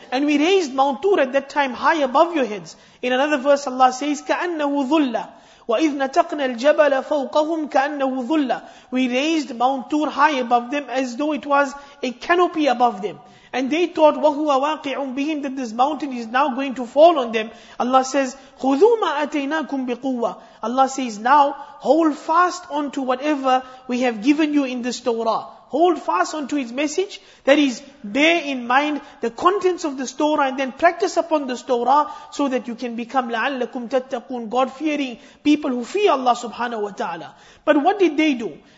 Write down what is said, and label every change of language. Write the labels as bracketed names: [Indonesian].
[English] And we raised Mount Tur at that time high above your heads. In another verse Allah says, [Arabic] كَأَنَّهُ ذُلَّ. وَإِذْ نَتَقْنَا الْجَبَلَ فَوْقَهُمْ كَأَنَّهُ ذُلَّ. [English] We raised Mount Tur high above them as though it was a canopy above them. And they thought, [Arabic] وَهُوَ وَاقِعٌ بِهِمْ, [English] that this mountain is now going to fall on them. Allah says, [Arabic] خُذُوا مَا أَتَيْنَاكُمْ بِقُوَّةٍ. [English] Allah says, now hold fast onto whatever we have given you in this Torah. Hold fast onto its message. That is, bear in mind the contents of this Torah and then practice upon this Torah so that you can become [Arabic] لَعَلَّكُمْ تَتَّقُونَ, [English] God-fearing people who fear Allah subhanahu wa ta'ala. But what did they do?